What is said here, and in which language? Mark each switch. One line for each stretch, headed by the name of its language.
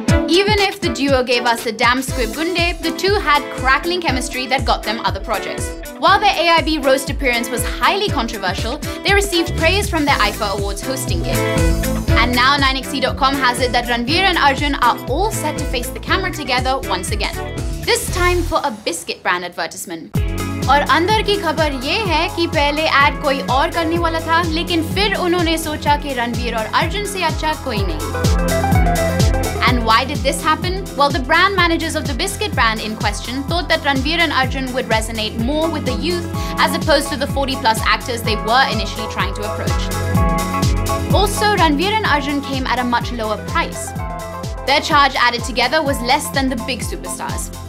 English: Even if the duo gave us a damn squib gunde, the two had crackling chemistry that got them other projects. While their AIB roast appearance was highly controversial, they received praise from their IFA Awards hosting gig. And now 9xe.com has it that Ranveer and Arjun are all set to face the camera together once again. This time for a biscuit brand advertisement.
Hindi: और अंदर की खबर ये है कि पहले add कोई और करने वाला था, लेकिन फिर उन्होंने सोचा कि रणवीर और अर्जुन से अच्छा कोई नहीं.
English: And why did this happen? Well, the brand managers of the biscuit brand in question thought that Ranveer and Arjun would resonate more with the youth as opposed to the 40-plus actors they were initially trying to approach. Also, Ranveer and Arjun came at a much lower price. Their charge added together was less than the big superstars.